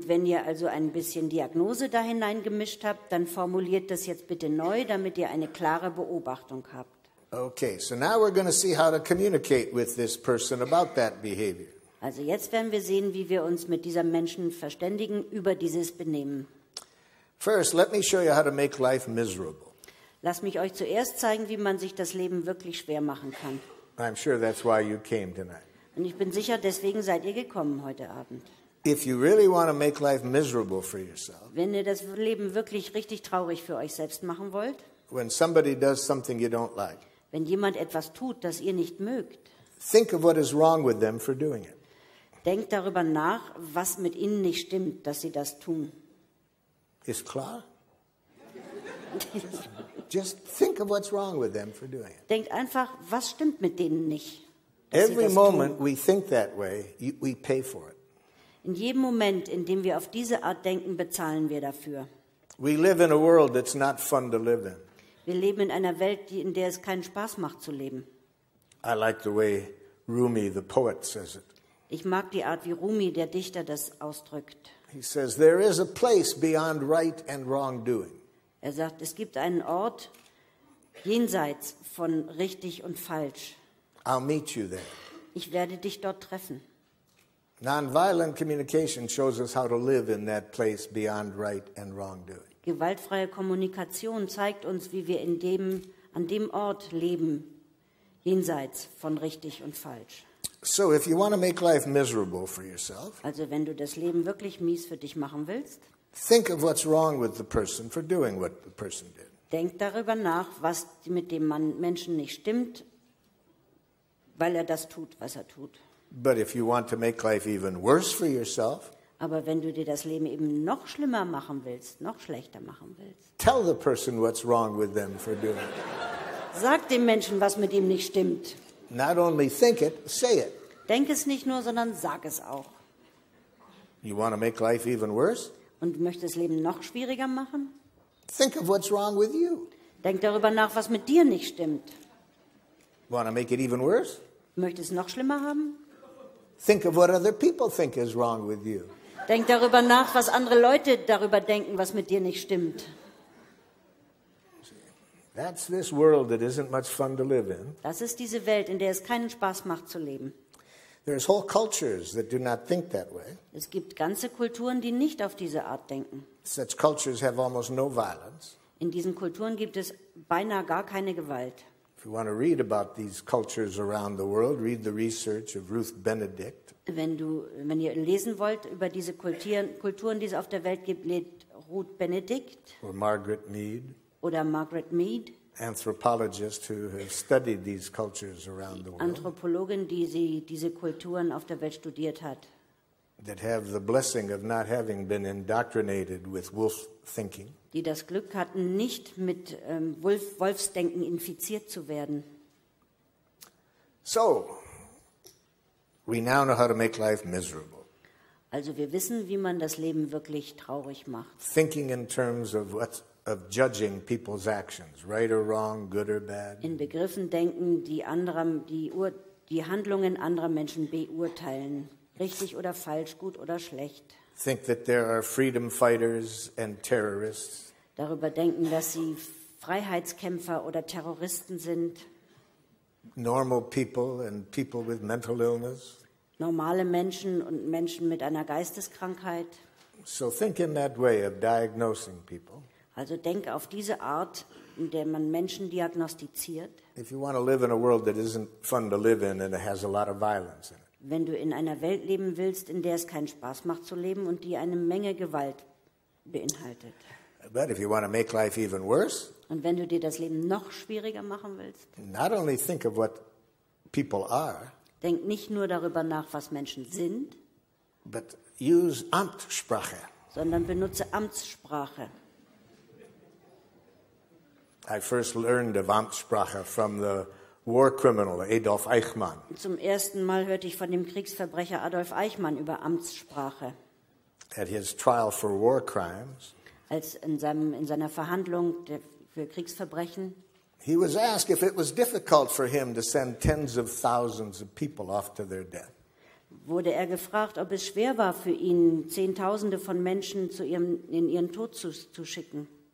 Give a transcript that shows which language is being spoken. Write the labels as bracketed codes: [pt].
[de] Und wenn ihr also ein bisschen Diagnose da hineingemischt habt, dann formuliert das jetzt bitte neu, damit ihr eine klare Beobachtung habt. [en] Okay, so now we're going to see how to communicate with this person about that behavior. [de] Also jetzt werden wir sehen, wie wir uns mit diesem Menschen verständigen über dieses Benehmen. [en] First, let me show you how to make life miserable. [de] Lass mich euch zuerst zeigen, wie man sich das Leben wirklich schwer machen kann. [en] I'm sure that's why you came tonight. [de] Und ich bin sicher, deswegen seid ihr gekommen heute Abend. [en] If you really want to make life miserable for yourself, [de] wenn ihr das Leben wirklich richtig traurig für euch selbst machen wollt, [en] when somebody does something you don't like, [de] wenn jemand etwas tut, das ihr nicht mögt, [en] think of what is wrong with them for doing it. [de] Denkt darüber nach, was mit ihnen nicht stimmt, dass sie das tun. Ist klar? [en] Just think of what's wrong with them for doing it. [de] Denkt einfach, was stimmt mit denen nicht? [en] Every moment we think that way, we pay for it. [de] In jedem Moment, in dem wir auf diese Art denken, bezahlen wir dafür. [en] We live in a world that's not fun to live in. [de] Wir leben in einer Welt, in der es keinen Spaß macht zu leben. [en] I like the way Rumi, the poet, says it. [de] Ich mag die Art, wie Rumi, der Dichter, das ausdrückt. [en] He says, there is a place beyond right and wrongdoing. [de] Er sagt, es gibt einen Ort jenseits von richtig und falsch. [en] I'll meet you there. [de] Ich werde dich dort treffen. [en] Non-violent communication shows us how to live in that place beyond right and wrongdoing. [de] Gewaltfreie Kommunikation zeigt uns, wie wir in dem, an dem Ort leben, jenseits von richtig und falsch. [en] So if you want to make life miserable for yourself, [de] also wenn du das Leben wirklich mies für dich machen willst, [en] think of what's wrong with the person for doing what the person did. [de] Denk darüber nach, was mit dem Menschen nicht stimmt, weil das tut, was tut. [en] But if you want to make life even worse for yourself, [de] aber wenn du dir das Leben eben noch schlimmer machen willst, noch schlechter machen willst, [en] tell the person what's wrong with them for doing it. [de] Sag dem Menschen, was mit ihm nicht stimmt. [en] Not only think it, say it. [de] Denk es nicht nur, sondern sag es auch. [en] You want to make life even worse? [de] Und du möchtest das Leben noch schwieriger machen? [en] Think of what's wrong with you. [de] Denk darüber nach, was mit dir nicht stimmt. [en] Want to make it even worse? [de] Möchtest es noch schlimmer haben? [en] Think of what other people think is wrong with you. [de] Denk darüber nach, was andere Leute darüber denken, was mit dir nicht stimmt. [en] That's this world that isn't much fun to live in. [de] Das ist diese Welt, in der es keinen Spaß macht zu leben. [en] There's whole cultures that do not think that way. [de] Es gibt ganze Kulturen, die nicht auf diese Art denken. [en] Such cultures have almost no violence. [de] In diesen Kulturen gibt es beinahe gar keine Gewalt. [en] If you want to read about these cultures around the world, read the research of Ruth Benedict. [de] Wenn ihr lesen wollt über diese Kulturen, die es auf der Welt gibt, lest Ruth Benedict. [en] Or Margaret Mead. [de] Oder Margaret Mead. [en] Anthropologists who have studied these cultures around the world. [de] Anthropologin, die sie diese Kulturen auf der Welt studiert hat. [en] That have the blessing of not having been indoctrinated with wolf thinking. [de] Die das Glück hatten, nicht mit Wolfsdenken infiziert zu werden. [en] So, we now know how to make life miserable. [de] Also wir wissen, wie man das Leben wirklich traurig macht. [en] Thinking in terms of what's of judging people's actions, right or wrong, good or bad. [de] In Begriffen denken, die Handlungen anderer Menschen beurteilen, richtig oder falsch, gut oder schlecht. [en] Think that there are freedom fighters and terrorists. [de] Darüber denken, dass sie Freiheitskämpfer oder Terroristen sind. [en] Normal people and people with mental illness. [de] Normale Menschen und Menschen mit einer Geisteskrankheit. [en] So think in that way of diagnosing people. [de] Also denk auf diese Art, in der man Menschen diagnostiziert. [en] If you want to live in a world that isn't fun to live in and it has a lot of violence in it. [de] Wenn du in einer Welt leben willst, in der es keinen Spaß macht zu leben und die eine Menge Gewalt beinhaltet. [en] But if you want to make life even worse. [de] Und wenn du dir das Leben noch schwieriger machen willst. [en] Not only think of what people are. [de] Denk nicht nur darüber nach, was Menschen sind. [en] But use Amtssprache. [de] Sondern benutze Amtssprache. [en] I first learned of Amtssprache from the war criminal Adolf Eichmann. [de] Zum ersten Mal hörte ich von dem Kriegsverbrecher Adolf Eichmann über Amtssprache. [en] At his trial for war crimes. [de] Als in seiner Verhandlung für Kriegsverbrechen. [en] He was asked if it was difficult for him to send tens of thousands of people off to their death. [de] Wurde er gefragt, ob es schwer war für ihn, Zehntausende von Menschen in ihren Tod zu schicken.